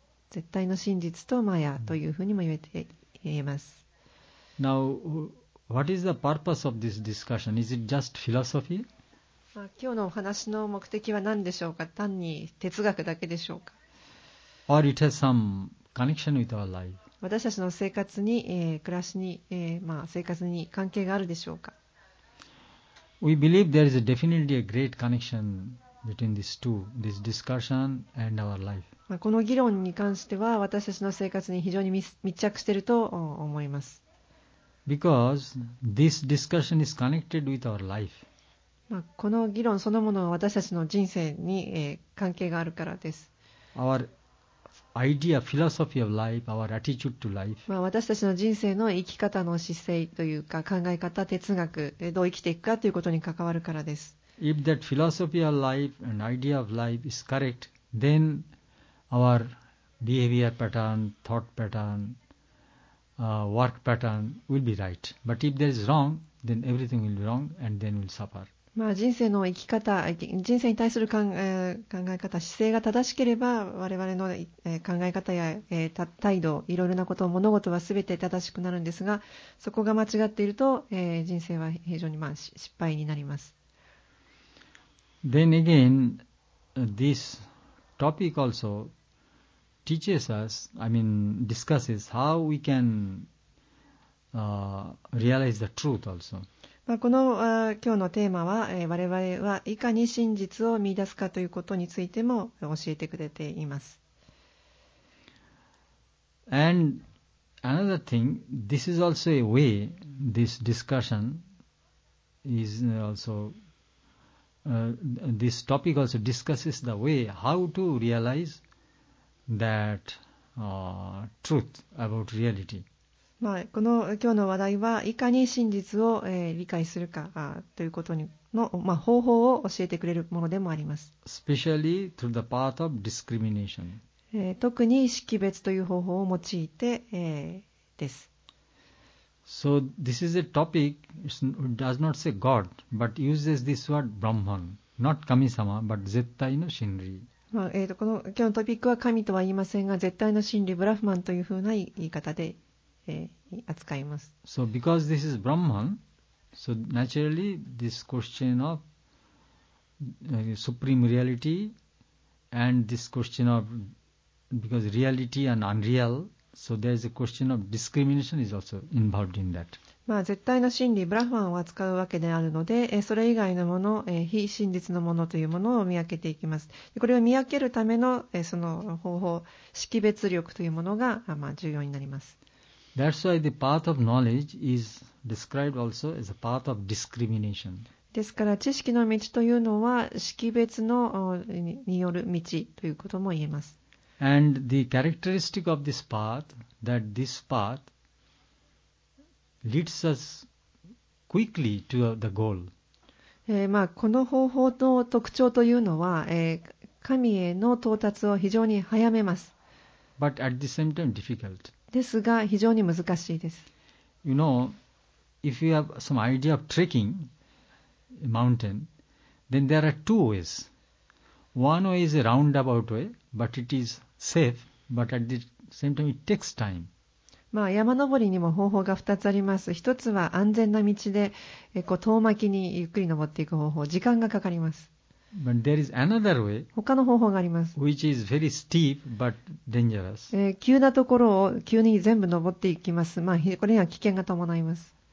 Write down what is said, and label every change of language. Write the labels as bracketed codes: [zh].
[ja] 絶対の真実とマヤというふうにも言えます。 [en] Now, what is the purpose of this discussion? Is it just philosophy? [ja] 今日のお話の目的は何でしょうか？単に哲学だけでしょうか？ [en] Or it has some connection with our life. [ja] 私たちの生活に、暮らしに、生活に関係があるでしょうか？ [en] We believe there is definitely a great connection between these two, this discussion and our life. [ja] この議論に関しては私たちの生活に非常に密着していると思います。 [en] Because this discussion is connected with our life. [ja] この議論そのものは私たちの人生に関係があるからです。 [en] Our idea, philosophy of life, our attitude to life. [ja] 私たちの人生の生き方の姿勢というか考え方、哲学、どう生きていくかということに関わるからです。 [en] If that philosophy of life and idea of life is correct, then our behavior pattern, thought pattern, work pattern will be right. But if there is wrong, then everything will be wrong and then we'll suffer. [ja] 人生の生き方、人生に対する考え方、姿勢が正しければ我々の考え方や態度、いろいろなこと、物事は全て正しくなるんですが、そこが間違っていると人生は非常に失敗になります。 [en] Then again, this topic also teaches us, discusses how we can realize the truth also. [ja] この今日のテーマは、我々はいかに真実を見出すかということについても教えてくれています。 [en] And another thing, this is also a way, this discussion is also, this topic also discusses the way how to realize that truth about reality. [ja] この今日の話題はいかに真実を理解するかということの方法を教えてくれるものでもあります。 [en] Especially through the path of discrimination. [ja] 特に識別という方法を用いてです。 [en] So this is a topic, it does not say God, but uses this word Brahman, not 神様 but [ja] 絶対の真理。この今日のトピックは神とは言いませんが、絶対の真理、ブラフマンというふうな言い方で扱います。 [en] So because this is Brahman, so naturally this question of supreme reality and this question of, because reality and unreal, so there is a question of discrimination is also involved in that. [ja] まあ、絶対の真理ブラフマンを扱うわけであるので、それ以外のもの、非真実のものというものを見分けていきます。これを見分けるため の、 その方法、識別力というものが、まあ、重要になります。 [en] That's why the path of knowledge is described also as a path of discrimination. [ja] ですから知識の道というのは識別のによる道ということも言えます。 [en] And the characteristic of this path, that this pathleads us quickly to the goal. [ja] まあ、この方法の特徴というのは、神への到達を非常に早めます。 [en] But at the same time difficult. [ja] ですが非常に難しいです。 [en] You know, if you have some idea of trekking a mountain, then there are two ways. One way is a roundabout way, but it is safe, but at the same time it takes time. [ja] まあ、山登りにも方法が2つあります。1つは安全な道で、こう遠巻きにゆっくり登っていく方法、時間がかかります。 [en] But there is another way, [ja] 他の方法があります。 [en] Which is very steep but dangerous. [ja] 急なところを急に全部登っていきます。まあ、これには危険が伴います。